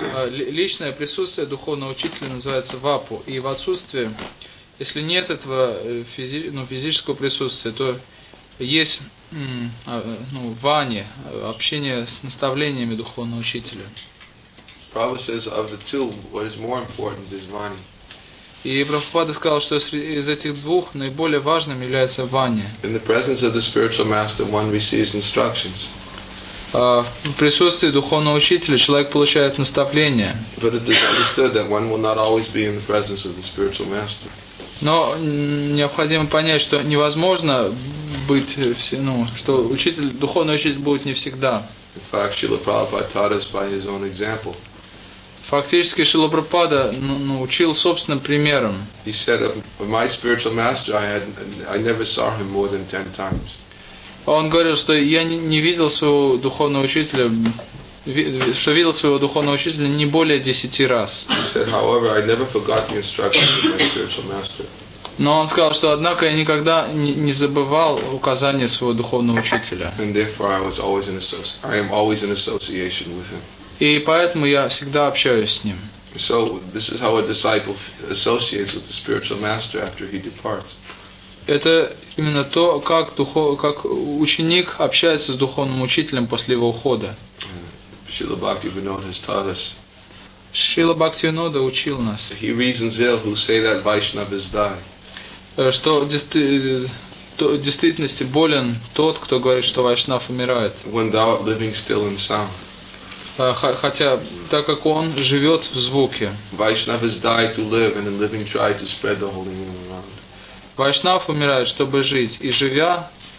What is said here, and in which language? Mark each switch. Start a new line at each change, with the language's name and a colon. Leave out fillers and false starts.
Russian: Личное присутствие духовного учителя называется вапу, и в отсутствии, если нет этого физического присутствия, то есть вани, общение с наставлениями духовного учителя.
English: Prabhupada says of the two, what is more important is vani.
Russian: И Прабхупада сказал, что из этих двух наиболее важным является Ваня.
English: In the presence of the spiritual master, one receives instructions.
Russian: В присутствии духовного учителя человек получает наставление.
English: But it is understood that one will not always be in the presence of the spiritual master.
Russian: Но необходимо понять, что невозможно быть, ну, что учитель, духовный учитель будет не всегда.
English: In fact, Srila Prabhupada taught us by his own example.
Russian: Фактически, Шрила Прабхупада учил собственным примером.
English: He said, of my spiritual master, I never saw him more than 10 times.
Russian: Он говорил, что я не видел своего духовного учителя, что видел своего духовного учителя не более 10 раз.
English: He said, however, I never forgot the instructions of my spiritual master.
Russian: Но он сказал, что однако я никогда не забывал указания своего духовного учителя.
English: And therefore, I am always in association with him.
Russian: И поэтому я всегда общаюсь с ним.
English: So this is how a disciple associates with the spiritual master after he departs.
Russian: Это именно то, как ученик общается с духовным учителем после его ухода.
English: Шрила Бхактивинода has taught us.
Russian: Шрила Бхактивинода учил нас.
English: He reasons ill who say that Vaishnavas die.
Russian: Что в действительности болен тот, кто говорит, что Вайшнав умирает.
English: When thou art living still in sound.
Russian: Хотя, так как он живет в звуке.
English: Vaishnavas die to live, and in living try to spread the holy name around.
Russian: Vaishnav умирает, чтобы жить, и живя...